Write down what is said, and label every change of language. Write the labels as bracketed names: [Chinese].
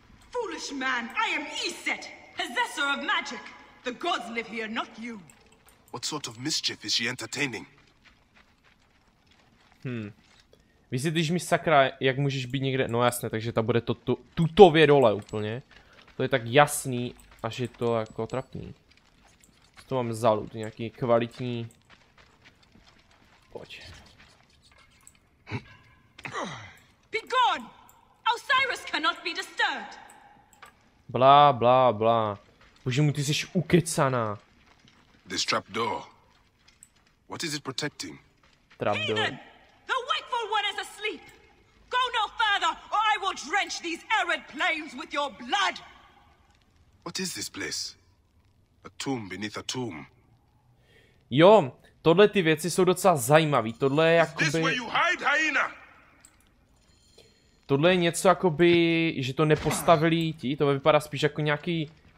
[English] Foolish man, I am Iset, possessor of magic. The gods live here, not you. What sort of mischief is she entertaining? [Czech] Vysvětlíš mi sakra, jak můžeš být někde, no jasné, takže ta bude to tutově dole úplně. To je tak jasný, až je to jako trapný. Co to mám za loot, nějaký kvalitní... Pojď. [English] Be gone! Osiris cannot be disturbed! Blá, blá, blá. [Czech] Bože mu, ty jsi ukecaná. [English] This trap door. What What is it protecting? Heathen! The wakeful one is asleep! Go no further, or I will drench these arid plains with your blood! What is this place? A tomb beneath a tomb. [Czech] Jo, tohle ty věci jsou docela zajímavý. Tohle je jakoby... [English] Is this where you hide, hyena? [Czech] Tohle je něco jakoby, že to nepostavili ti, to vypadá spíš jako nějaký...